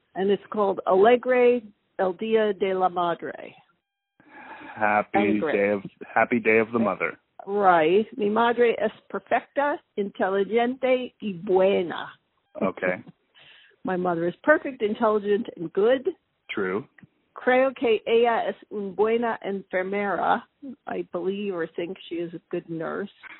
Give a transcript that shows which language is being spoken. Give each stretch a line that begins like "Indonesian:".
English: And it's called
Spanish: Alegre El Día de la Madre.
English: Happy Day of the Mother. Right.
Spanish: Mi madre es perfecta, inteligente y buena.
English: Okay. My mother is perfect, intelligent, and good. True.
Spanish: Creo que ella es una buena enfermera.
English: I believe or think she is a good nurse.